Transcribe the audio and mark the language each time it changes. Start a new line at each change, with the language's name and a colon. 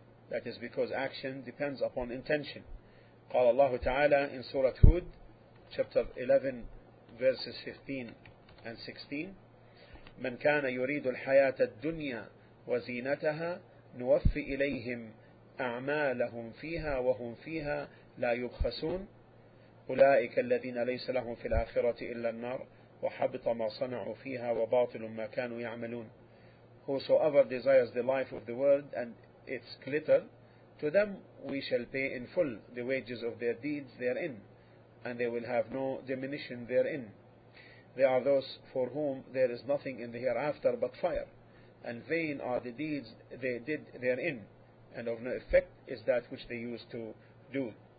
English: That is because action depends upon intention.
Arabic: قال الله تعالى
English: in Surah Hud, chapter 11, verses 15 and 16.
Arabic: من كان يريد الحياة الدنيا وزينتها نوفي إليهم أعمالهم فيها وهم فيها لا يبخسون أولئك الذين ليس لهم في الآخرة إلا النار وحبط ما صنعوا فيها وباطل ما كانوا يعملون.
English: Whosoever desires the life of the world and its glitter, to them we shall pay in full the wages of their deeds therein, and they will have no diminution therein. They are those for whom there is nothing in the hereafter but fire, and vain are the deeds they did therein, and of no effect is that which they used to do.